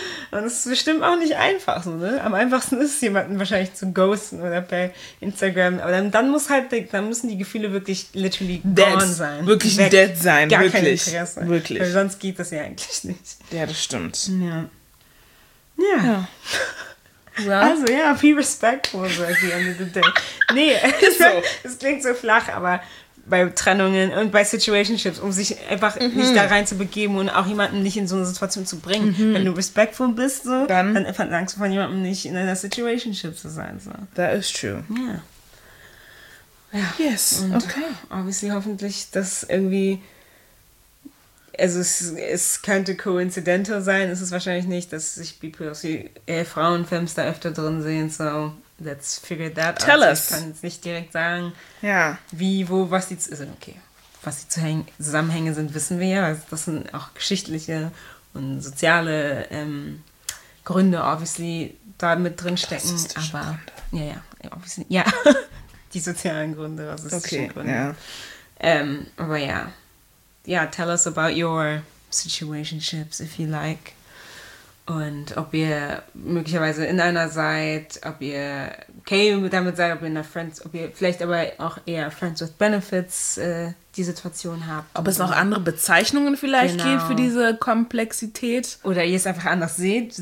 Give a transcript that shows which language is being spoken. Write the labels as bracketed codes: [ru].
[de] Und es ist bestimmt auch nicht einfach so, ne? Am einfachsten ist es, jemanden wahrscheinlich zu ghosten oder per Instagram. Aber dann müssen die Gefühle wirklich literally dead gone sein. Wirklich weg. Dead sein, gar wirklich. Kein Interesse. Wirklich. Weil sonst geht das ja eigentlich nicht. Ja, das stimmt. Ja. Ja. [en] Well. [de] Also ja, [en] be respectful, so at the end of the day. [de] Nee, es klingt so flach, aber bei Trennungen und bei Situationships, um sich einfach nicht da rein zu begeben und auch jemanden nicht in so eine Situation zu bringen. Mhm. Wenn du respectful bist, so, dann verlangst du von jemandem nicht, in einer Situationship zu sein. So. [en] That is true. Yeah. [de] Ja. [en] Yes, [de] und okay. Obviously, hoffentlich, dass irgendwie, also es könnte coincidental sein, ist es wahrscheinlich nicht, dass sich Frauenfilms da öfter drin sehen, so. [en] Let's figure that out. Tell us. [de] Ich kann jetzt nicht direkt sagen, wie, wo, was die, was die Zusammenhänge sind, wissen wir ja. Also das sind auch geschichtliche und soziale Gründe, obviously, da mit drinstecken. Aber Gründe. Ja, obviously, ja. Die sozialen Gründe, rassistische Gründe. Aber ja. Ja, [en] tell us about your situationships, if you like. [de] Und ob ihr möglicherweise in einer seid, ob ihr okay damit seid, ob ihr in einer Friends, ob ihr vielleicht aber auch eher Friends with Benefits die Situation habt. Ob es noch andere Bezeichnungen vielleicht gibt für diese Komplexität. Oder ihr es einfach anders seht.